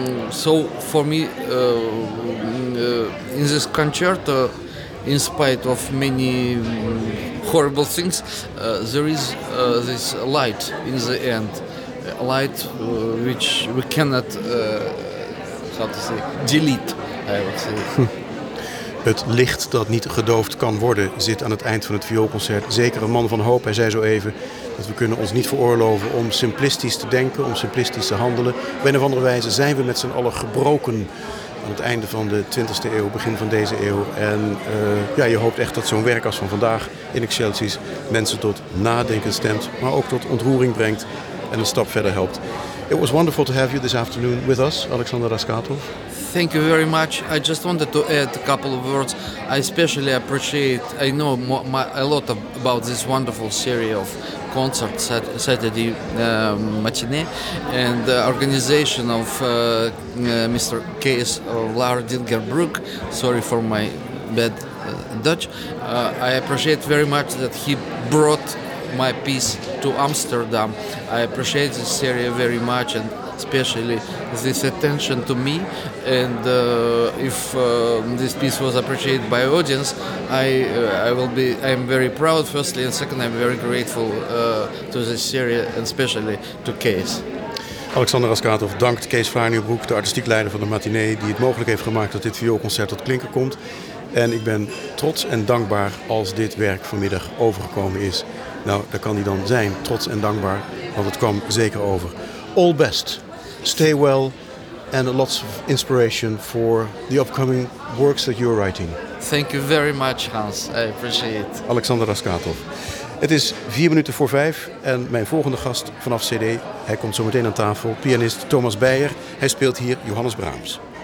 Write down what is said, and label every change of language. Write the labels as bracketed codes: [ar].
[en] So for me, in this concerto, in spite of many horrible things, there is this light in the end, a light which we cannot, how to say, delete, I would say. [nl] Het licht dat niet gedoofd kan worden zit aan het eind van het vioolconcert. Zeker een man van hoop, hij zei zo even dat we kunnen ons niet veroorloven om simplistisch te denken, om simplistisch te handelen. Op een of andere wijze zijn we met z'n allen gebroken aan het einde van de 20e eeuw, begin van deze eeuw. En ja, je hoopt echt dat zo'n werk als van vandaag In Excelsis mensen tot nadenken stemt, maar ook tot ontroering brengt en een stap verder helpt. [en] It was wonderful to have you this afternoon with us, Alexander Raskatov. Thank you very much. I just wanted to add a couple of words. I especially appreciate, I know a lot about this wonderful series of concerts at Saturday matinee and the organization of Mr. K.S. Lardinger-Brook. Sorry for my bad Dutch. I appreciate very much that he brought my piece to Amsterdam. I appreciate this series very much, and especially this attention to me. And if this piece was appreciated by audience, I am very proud, firstly, and second, I'm very grateful to this series, and especially to Kees. [nl] Alexander Raskatov dankt Kees Vaarnieuwbroek, de artistiek leider van de matinee, die het mogelijk heeft gemaakt dat dit vioolconcert tot klinken komt. En ik ben trots en dankbaar als dit werk vanmiddag overgekomen is. Nou, daar kan hij dan zijn, trots en dankbaar, want het kwam zeker over. [en] All best, stay well, and lots of inspiration for the upcoming works that you're writing. Thank you very much, Hans. I appreciate it. Alexander Raskatov. [nl] Het is 4:05 en mijn volgende gast vanaf CD, hij komt zo meteen aan tafel, pianist Thomas Beyer. Hij speelt hier Johannes Brahms.